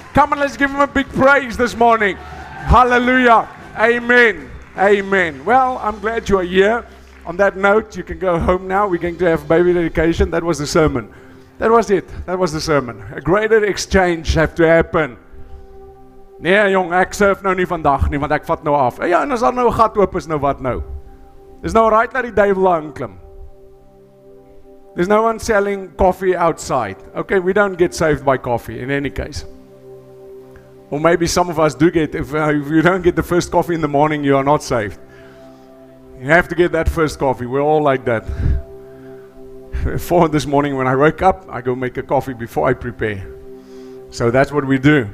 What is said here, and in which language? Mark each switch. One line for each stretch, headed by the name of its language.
English: Come on, let's give Him a big praise this morning. Hallelujah. Amen. Amen. Well, I'm glad you are here. On that note, you can go home now. We're going to have baby dedication. That was the sermon. That was it. That was the sermon. A greater exchange have to happen.
Afrikaans: Nee, jong, ek surf nou nie vandag nie, want ek vat nou af. Ja, en as daar nou 'n gat oop is, nou wat nou? Is nou right dat die duivel aan klim.
English: There's no one selling coffee outside. Okay, we don't get saved by coffee in any case. Or maybe some of us do get, if you don't get the first coffee in the morning, you are not saved. You have to get that first coffee. We're all like that. 4 this morning when I wake up, I go make a coffee before I prepare. So that's what we do.